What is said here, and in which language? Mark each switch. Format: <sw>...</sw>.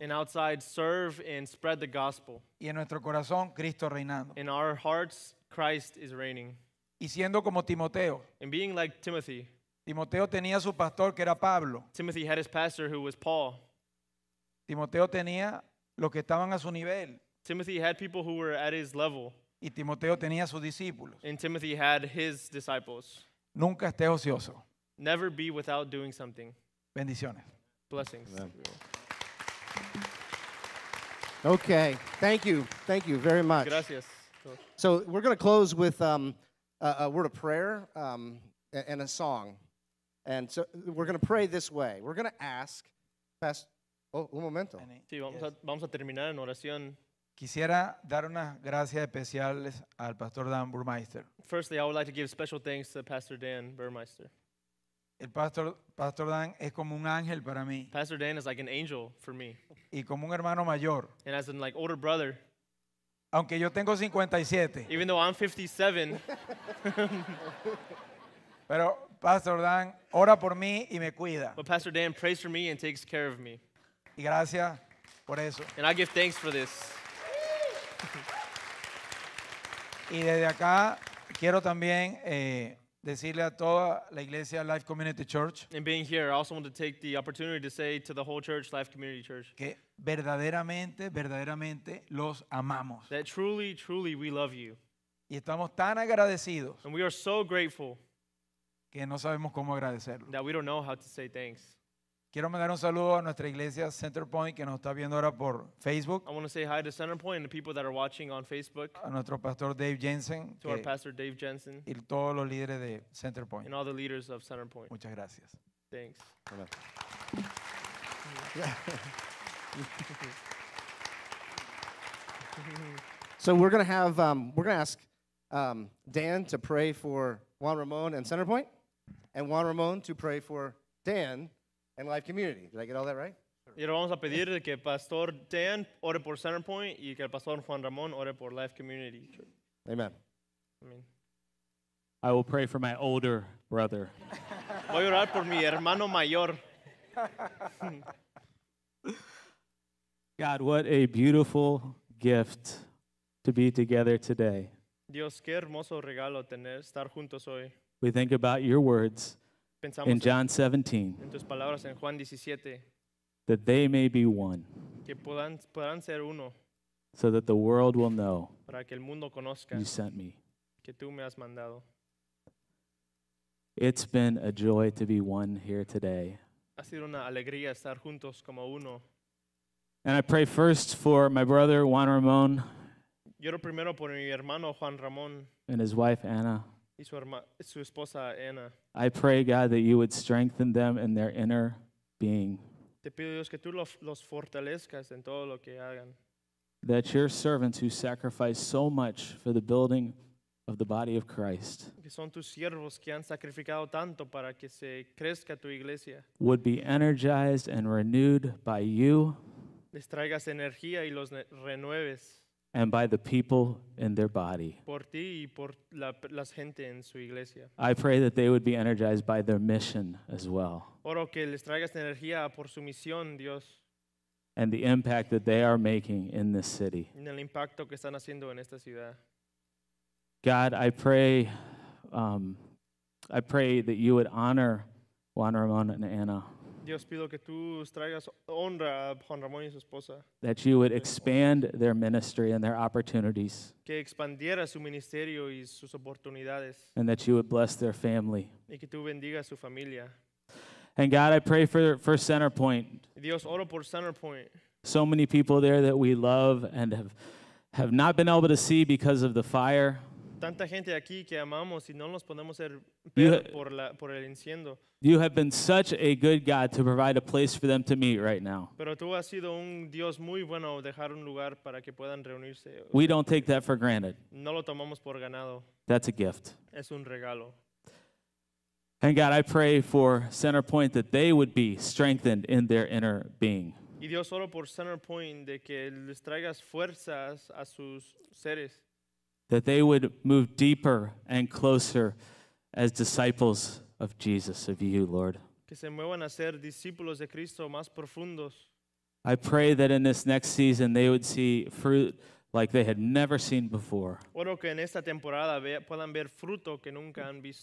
<en>And outside, serve and spread the gospel.</en> <es>Y en nuestro corazón, Cristo reinando.</es> <en>In our hearts, Christ is reigning.</en> <es>Y siendo como Timoteo.</es> <en>And being like Timothy.</en> <es>Timoteo tenía su pastor que era Pablo.</es> <en>Timothy had his pastor who was Paul.</en> <es>Timoteo tenía los que estaban a su nivel.</es> <en>Timothy had people who were at his level.</en> <es>Y Timoteo tenía sus discípulos.</es> <en>And Timothy had his disciples.</en> <es>Nunca esté ocioso.</es> <en>Never be without doing something.</en> <es>Bendiciones.</es> <en>Blessings. Amen. Okay. Thank you. Thank you very much.</en> <es>Gracias.</es> <en>So we're going to close with a word of prayer. And a song. And so we're going to pray this way. We're going to ask Pastor. Oh,</en> <es>un momento. Sí, vamos a terminar en oración. Quisiera dar unas gracias especiales al Pastor Dan Burmeister.</es> <en>Firstly, I would like to give special thanks to Pastor Dan Burmeister.</en> <es>El Pastor Dan es como un ángel para mí.</es> <en>Pastor Dan is like an angel for me.</en> <es>Y como un hermano mayor.</es> <en>And as an like older brother.</en> <es>Aunque yo tengo 57.</es> <en>Even though I'm 57.</en> <es>Pero Pastor Dan ora por mí y me cuida.</es> <en>But Pastor Dan prays for me and takes care of me.</en> <es>Y gracias por eso.</es> <en>And I give thanks for this.</en> <es>Y desde acá quiero también decirle a toda la iglesia Life Community Church.</es> <en>And being here, I also want to take the opportunity to say to the whole church, Life Community Church,</en> <es>que verdaderamente, verdaderamente los amamos.</es> <en>That truly, truly we love you.</en> <es>Y estamos tan agradecidos.</es> <en>And we are so grateful.</en> <es>Que no sabemos cómo agradecerlo.</es> <en>That we don't know how to say thanks.</en> <es>Quiero mandar un saludo a nuestra iglesia Centerpoint que nos está viendo ahora por Facebook.</es> <en>I want to say hi to Centerpoint and the people that are watching on Facebook.</en> <es>A nuestro pastor Dave Jensen.</es> <en>To our pastor Dave Jensen.</en> <es>Y todos los líderes de Centerpoint.</es> <en>And all the leaders of Centerpoint.</en> <es>Muchas gracias.</es> <en>Thanks. So we're going to have we're going to ask Dan to pray for Juan Ramon and Centerpoint. And Juan Ramon to pray for Dan and Life Community. Did I get all that right?</en> <es>Y ahora vamos a pedir que Pastor Dan ore por Centerpoint y que el Pastor Juan Ramon ore por Life Community. Amen. Amen.</es> <en>I will pray for my older brother.</en> <es>Voy a orar por mi hermano mayor.</es> <en>God, what a beautiful gift to be together today.</en> <es>Dios, qué hermoso regalo tener estar juntos hoy.</es> <en>We think about your words</en> <es>pensamos</es> <en>in John 17,</en> <es>en tus palabras en Juan 17,</es> <en>that they may be one,</en> <es>que puedan ser uno,</es> <en>so that the world will know</en> <es>para que el mundo conozca</es> <en>you sent me.</en> <es>Que tú me has mandado.</es> <en>It's been a joy to be one here today.</en> <es>Ha sido una alegría estar juntos como uno.</es> <en>And I pray first for my brother Juan Ramon,</en> <es>lloro primero por mi hermano Juan Ramon,</es> <en>and his wife Anna.</en> <es>Su esposa, Anna.</es> <en>I pray, God, that you would strengthen them in their inner being.</en> <es>Te pido, Dios, que tú los fortalezcas en todo lo que hagan.</es> <en>That your servants who sacrifice so much for the building of the body of Christ,</en> <es>que son tus siervos que han sacrificado tanto para que se crezca tu iglesia,</es> <en>would be energized and renewed by you,</en> <es>les traigas energía y los renueves.</es> <en>And by the people in their body.</en> <es>Por ti y por la gente en su iglesia.</es> <en>I pray that they would be energized by their mission as well.</en> <es>Oro que les traigas energía por su misión, Dios.</es> <en>And the impact that they are making in this city.</en> <es>En el impacto que están haciendo en esta ciudad.</es> <en>God, I pray that you would honor Juan Ramon and Anna.</en> <es>Dios, pido que tú traigas honra a Juan Ramón y su esposa.</es> <en>That you would expand their ministry and their opportunities.</en> <es>Que expandiera su ministerio y sus oportunidades.</es> <en>And that you would bless their family.</en> <es>Y que tú bendiga su familia.</es> <en>And God, I pray for Center Point.</en> <es>Dios, oro por Center Point.</es> <en>So many people there that we love and have not been able to see because of the fire.</en> <es>Tanta gente aquí que amamos y no nos podemos ver por el incendio.</es> <en>You have been such a good God to provide a place for them to meet right now.</en> <es>Pero tú has sido un Dios muy bueno dejar un lugar para que puedan reunirse.</es> <en>We don't take that for granted.</en> <es>No lo tomamos por ganado.</es> <en>That's a gift.</en> <es>Es un regalo.</es> <en>And God, I pray for Center Point that they would be strengthened in their inner being.</en> <es>Y Dios, oro por Center Point de que les traigas fuerzas a sus seres.</es> <en>That they would move deeper and closer as disciples of Jesus, of you, Lord.</en> <es>Que se muevan a ser discípulos de Cristo más profundos.</es> <en>I pray that in this next season they would see fruit like they had never seen before.</en> <es>Oro que en esta temporada puedan ver fruto que nunca han visto.</es>